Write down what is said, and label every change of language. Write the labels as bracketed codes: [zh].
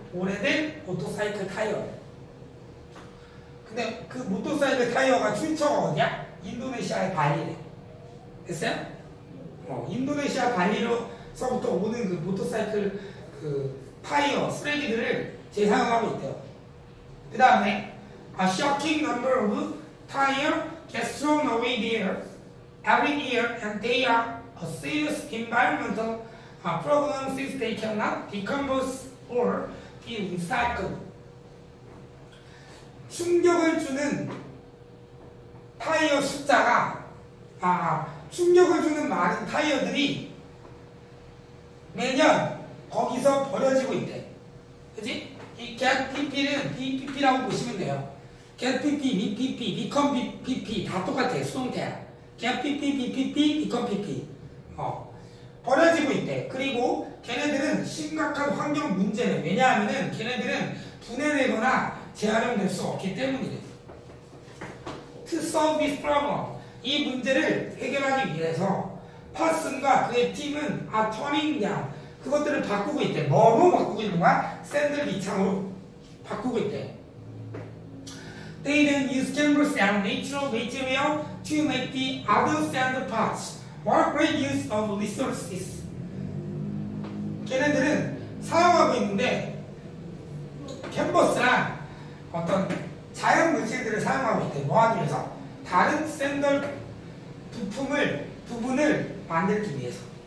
[ko] 오래된 모터사이클 타이어. 근데 그 모터사이클 타이어가 출처가 어디야? 인도네시아의 발리래. 됐어요? 어, 인도네시아 발리로서부터 오는 그 모터사이클 그 타이어, 쓰레기들을 재사용하고 있대요. 그 다음에 [en] A shocking number of tire gets thrown away there every year and they are a serious environmental problem since they cannot decompose or be recycled. [ko] 충격을 주는 타이어 숫자가, 충격을 주는 많은 타이어들이 매년 거기서 버려지고 있대. 그치? 이 GetPP는 BPP라고 보시면 돼요. GetPP, BPP, BecomePP 다 똑같아. 수동태야. GetPP, BPP, BecomePP. 버려지고 있대. 그리고 걔네들은 심각한 환경 문제네. 왜냐하면 걔네들은 분해되거나 재활용될 수 없기 때문이래. [en] To solve this problem, [ko] 이 문제를 해결하기 위해서 파슨과 그의 팀은 [en] turning down [ko] 그것들을 바꾸고 있대. 뭐로 바꾸고 있는 거야? 샌들비창으로 바꾸고 있대. [en] They then use canvas and natural material to make the other sand parts. What great use of resources? [ko] 걔네들은 사용하고 있는데 캔버스랑 어떤 자연 물질들을 사용하고 있대. 뭐하기 위해서? 다른 샌들 부분을 만들기 위해서.